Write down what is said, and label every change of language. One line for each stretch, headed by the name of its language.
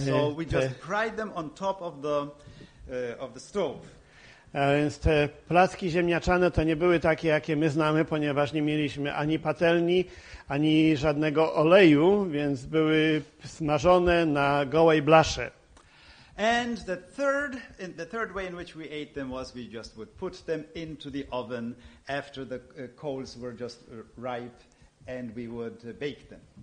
English: So we just fried them on top of the stove.
Polish: A więc te placki ziemniaczane to nie były takie, jakie my znamy, ponieważ nie mieliśmy ani patelni, ani żadnego oleju, więc były smażone na gołej blasze.
English: And the third way in which we ate them was we just would put them into the oven after the coals were just ripe and we would bake them.